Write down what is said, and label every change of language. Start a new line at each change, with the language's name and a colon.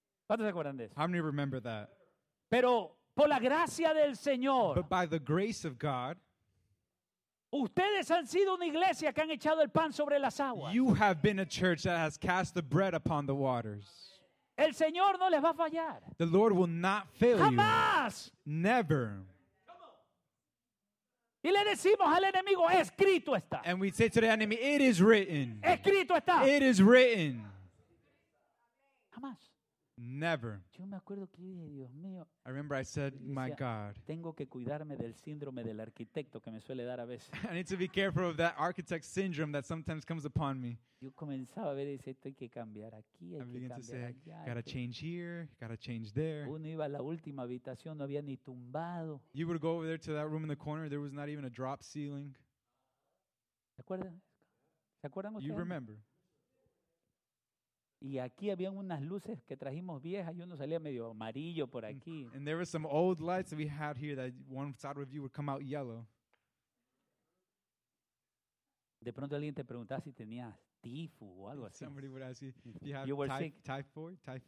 Spanish: ¿Cuántos se acuerdan de eso?
English: How many remember that?
Spanish: Pero por la gracia del Señor.
English: But by the grace of God.
Spanish: Ustedes han sido una iglesia que han echado el pan sobre las aguas.
English: You have been a church that has cast the bread upon the waters.
Spanish: El Señor no les va a fallar.
English: The Lord will not fail
Spanish: jamás.
English: You.
Spanish: Jamás.
English: Never.
Spanish: Y le decimos al enemigo, escrito está.
English: And we say to the enemy, it is written.
Spanish: Escrito está.
English: It is written.
Spanish: Jamás.
English: Never.
Spanish: Yo me acuerdo que dije, Dios mío.
English: I remember I said, my God.
Spanish: Tengo que cuidarme del síndrome del arquitecto que me suele dar a veces.
English: I need to be careful of that architect syndrome that sometimes comes upon me.
Spanish: Yo comenzaba a ver y decía, esto hay que cambiar aquí, hay
English: I
Spanish: que
English: began
Spanish: cambiar
English: to say,
Spanish: allá.
English: Gotta change here, gotta change there.
Spanish: Uno iba a la última habitación, no había ni tumbado.
English: You would go over there to that room in the corner, there was not even a drop ceiling.
Spanish: ¿Se acuerdan ustedes?
English: You remember.
Spanish: Y aquí habían unas luces que trajimos viejas y uno salía medio amarillo por aquí.
English: And there were some old lights that we had here that one side of you would come out yellow.
Spanish: De pronto alguien te preguntaba si tenías tifo o algo así.
English: Somebody would ask you if you had typhoid?